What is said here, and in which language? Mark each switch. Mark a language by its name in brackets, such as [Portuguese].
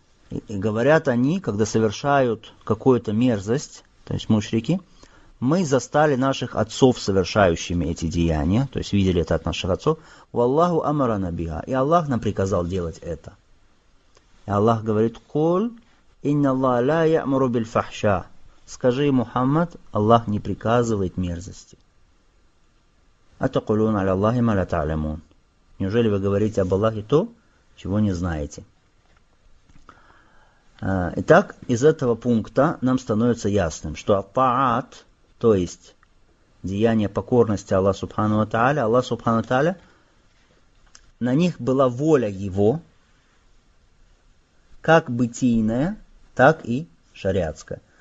[Russian] И говорят они, когда совершают какую-то мерзость, то есть мушрики: «Мы застали наших отцов совершающими эти деяния», то есть видели это от наших отцов, [Arabic] «валлаху амарана биха», [Russian] и Аллах нам приказал делать это. И Аллах говорит: [Arabic] «Кул, инна Аллах ла ямуру биль фахша». [Russian] Скажи, Мухаммад, Аллах не приказывает мерзости. [Arabic] أتقولون على الله ما لا تعلمون. [Russian] Неужели вы говорите об Аллахе то, чего не знаете? Итак, из этого пункта нам становится ясным, что ат-таат, то есть деяние покорности Аллаха Субхану Ва-Та'аля, Аллах Субхану Ва-Та'аля, на них была воля Его, как бытийная, так и шариатская.